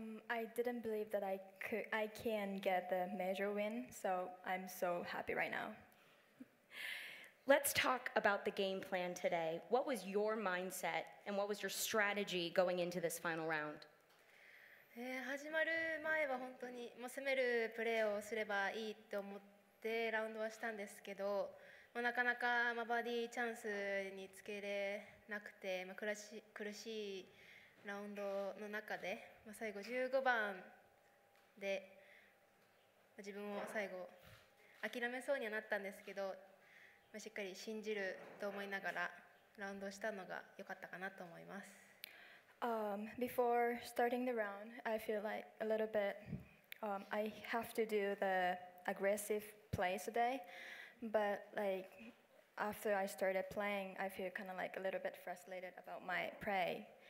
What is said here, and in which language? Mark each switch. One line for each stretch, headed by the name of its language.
English: I didn't believe that I can get the major win, so I'm so happy right now. Let's talk about the game plan today. What was your mindset and what was your strategy going into this final round?
Japanese: 始まる前は本当にもう攻めるプレーをすればいいと思ってラウンドはしたんですけど、まあ、なかなかまあバーディーチャンスにつけれなくて、まあ、苦しいラウンドの中で、まあ、最後15番で自分を最後諦めそうにはなったんですけど、まあ、しっかり信じると思いながらラウンドしたのが良かったかなと思います。
English: Before starting the round, I feel like a little bit, I have to do the aggressive play today, but like after I started playing, I feel kind of like a little bit frustrated about my play.